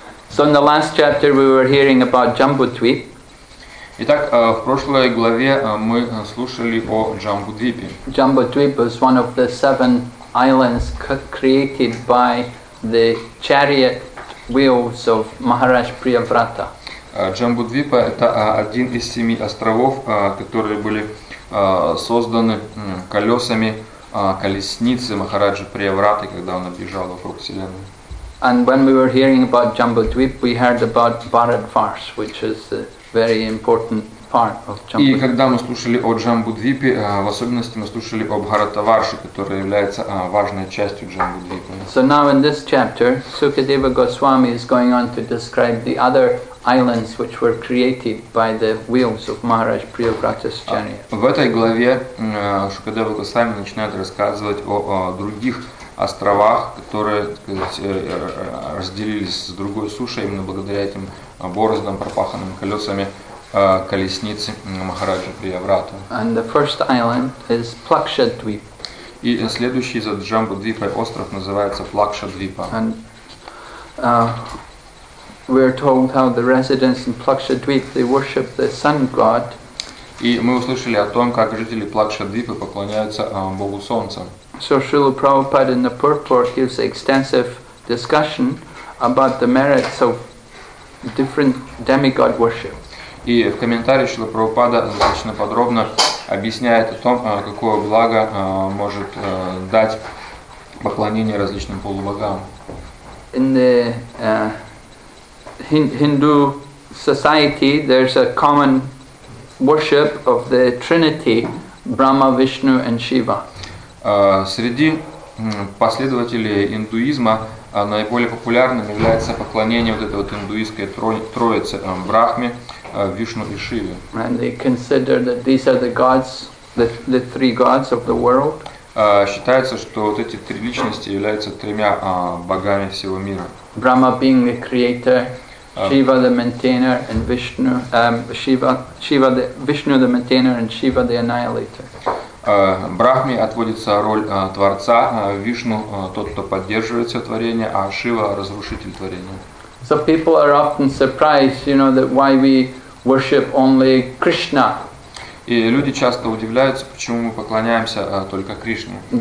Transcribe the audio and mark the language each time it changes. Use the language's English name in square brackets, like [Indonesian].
[English] So in the last chapter we were hearing about Jambudvip. [Russian] Итак, в прошлой главе мы слушали о Джамбудвипе. [English] Jambudvip was one of the seven islands created by the chariot wheels of Maharaj Priyavrata. [Russian] Джамбудвипа – это один из семи островов, которые были созданы колесами колесницы Махараджи Приявраты, когда он объезжал вокруг вселенной. [English] And when we were hearing about Jambudvip, we heard about Bharatvars, which is the very important part of Jambudvip. [Russian] И когда мы слушали о Джамбудвипе, в особенности мы слушали о Бхаратаварше, которая является важной частью Джамбудвипа. [English] So now in this chapter, Sukadeva Goswami is going on to describe the other islands which were created by the wheels of Maharaj Priyavrata's chariot. [Russian] В этой главе Sukadeva Goswami начинает рассказывать о других островах, которые, так сказать, разделились с другой сушей именно благодаря этим бороздам, пропаханным колесами колесницы Махараджи Приявраты. [English] And the first island is Plakshadweep. [Russian] И следующий за Джамбудвипой остров называется Плакшадвипа. [English] And we are told how the residents in Plakshadweep they worship the sun god. [Russian] И мы услышали о том, как жители Плакшадвипы поклоняются Богу Солнца. [English] So Srila Prabhupada in the purport gives extensive discussion about the merits of different demigod worship. [Russian] И в комментарии Шрила Прабхупада достаточно подробно объясняет о том, какое благо может дать поклонение различным полубогам. [English] In the Hindu society there's a common worship of the Trinity, Brahma, Vishnu and Shiva. [Russian] Среди последователей индуизма наиболее популярным является поклонение вот этой вот индуистской троицы Брахме, Вишну и Шиве. [English] And they consider that these are the gods, the three gods of the world. [Russian] Считается, что вот эти три личности являются тремя богами всего мира. [English] Brahma being the creator, Shiva the maintainer, and Vishnu, Shiva the Vishnu the maintainer, and Shiva the annihilator. [Russian] Брахме отводится роль Творца, Вишну тот, кто поддерживает все творение, а Шива разрушитель творения. [English] So people are often surprised, you know, that why we worship only Krishna. [Russian] И люди часто удивляются, почему мы поклоняемся только Кришне.